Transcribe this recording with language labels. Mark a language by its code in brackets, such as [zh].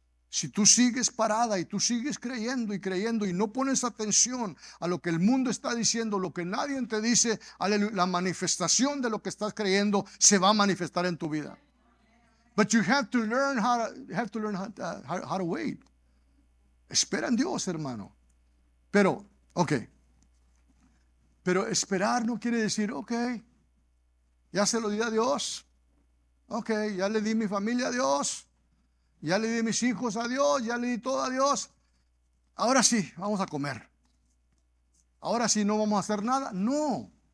[es] Si tú sigues parada y tú sigues creyendo y no pones atención a lo que el mundo está diciendo, lo que nadie te dice, aleluya, la manifestación de lo que estás creyendo se va a manifestar en tu vida. [en] But you have to learn how to wait. [es] Espera en Dios, hermano. Pero, ok. Pero esperar no quiere decir, ok, ya se lo di a Dios. Ok, ya le di mi familia a Dios. Ya le di mis hijos a Dios, ya le di todo a Dios. Ahora sí, vamos a comer. Ahora sí, no vamos a hacer nada. No.